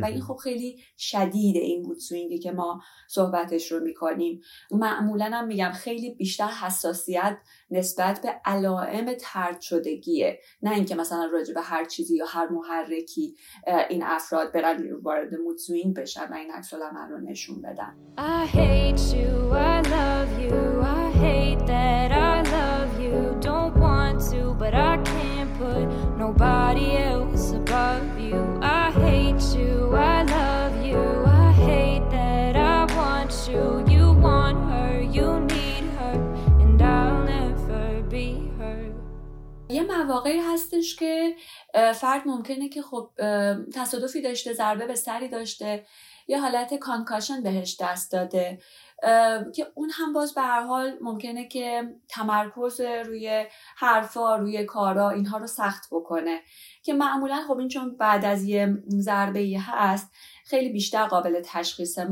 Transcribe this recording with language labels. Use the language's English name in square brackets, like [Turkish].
[Persian] و این خب خیلی شدیده، این مود سوینگی که ما صحبتش رو میکنیم. معمولا هم میگم خیلی بیشتر حساسیت نسبت به علائم طرد شدگیه، نه اینکه مثلا راجع به هر چیزی یا هر محرکی این افراد برن وارد مود سوینگ بشن و این عکس العمل رو نشون بدن. [English] I hate you, I love you, I hate that I love you, don't want to, but I can't put nobody else above you. I hate you, I love you, I hate that I want you, you want her, you need her, and I'll never be her. [Persian] یه مواقعی هستش که فرد ممکنه که خب تصادفی داشته، ضربه به سری داشته، یه حالت کانکاشن بهش دست داده که اون هم باز به هر حال ممکنه که تمرکز روی حرفا، روی کارا اینها رو سخت بکنه، که معمولا خب این چون بعد از یه ضربه ای هست خیلی بیشتر قابل تشخیصه.